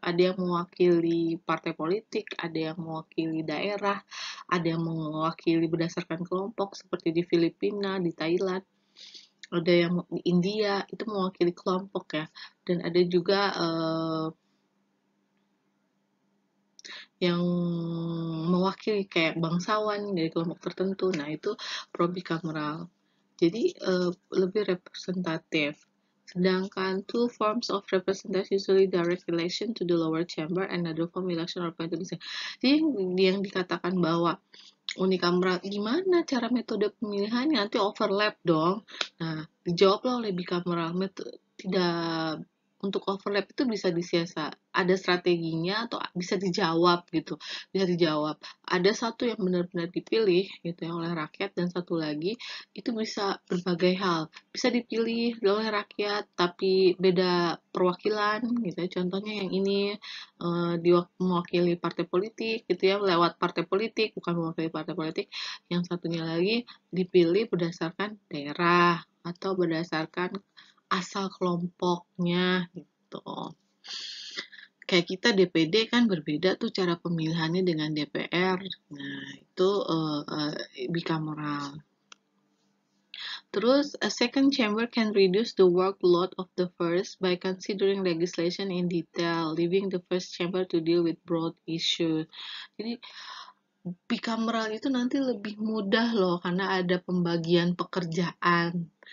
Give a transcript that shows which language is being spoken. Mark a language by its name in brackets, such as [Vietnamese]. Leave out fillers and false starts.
[Indonesian] Ada yang mewakili partai politik, ada yang mewakili daerah, ada yang mewakili berdasarkan kelompok seperti di Filipina, di Thailand, ada yang di India itu mewakili kelompok ya. Dan ada juga yang mewakili kayak bangsawan dari kelompok tertentu. Nah, itu pro bicameral. Jadi lebih representatif. Sedangkan [English] two forms of representation usually direct relation to the lower chamber and another form election or appointed. [Indonesian] Jadi yang dikatakan bahwa unikameral gimana cara metode pemilihannya nanti overlap dong. Nah, dijawablah oleh bikameral metode tidak untuk overlap itu bisa disiasa. Ada strateginya atau bisa dijawab gitu. Bisa dijawab. Ada satu yang benar-benar dipilih gitu ya oleh rakyat dan satu lagi itu bisa berbagai hal. Bisa dipilih oleh rakyat tapi beda perwakilan gitu ya. Contohnya yang ini mewakili partai politik gitu ya lewat partai politik bukan mewakili partai politik. Yang satunya lagi dipilih berdasarkan daerah atau berdasarkan asal kelompoknya gitu. Kayak kita DPD kan berbeda tuh cara pemilihannya dengan DPR. Nah, itu bikameral. Terus, [English] a second chamber can reduce the workload of the first by considering legislation in detail, leaving the first chamber to deal with broad issues. [Indonesian] Jadi, bikameral itu nanti lebih mudah loh, karena ada pembagian pekerjaan.